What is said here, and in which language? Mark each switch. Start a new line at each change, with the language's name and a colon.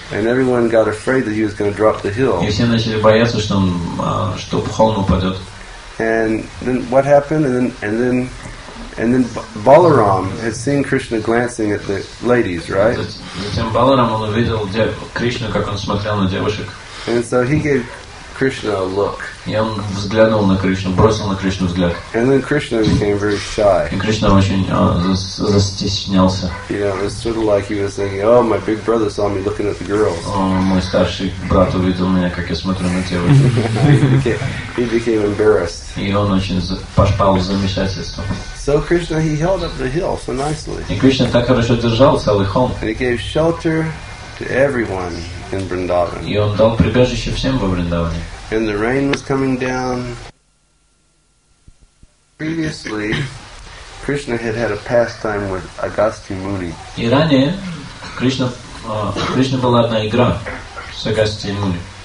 English: And everyone got afraid that he was going to drop the hill.
Russian: И все начали бояться, что он что холм упадет.
English: And then what happened? And then Balaram had seen Krishna glancing at the ladies, right?
Russian: Затем Баларам он увидел Кришну, как он смотрел на девушек.
English: And so he gave Krishna a look.
Russian: И он взглянул на Кришну, бросил на Кришну взгляд.
English: And then Krishna became very shy.
Russian: И Кришна очень застеснялся.
English: Yeah, it's sort of like he was thinking, "Oh, my big brother saw me looking at the girls."
Russian: О, мой старший брат увидел меня, как я смотрю на девушек.
English: He became embarrassed.
Russian: И он очень пошпал в замешательство.
English: So Krishna, he held up the hill so nicely.
Russian: И Кришна так хорошо держал целый холм.
English: And he gave shelter to everyone in Vrindavan.
Russian: И он дал прибежище всем во Вриндаване.
English: And the rain was coming down. Previously, Krishna had a pastime with Agastya Muni.
Russian: И ранее Кришна была одна игра с Агастьей Муни.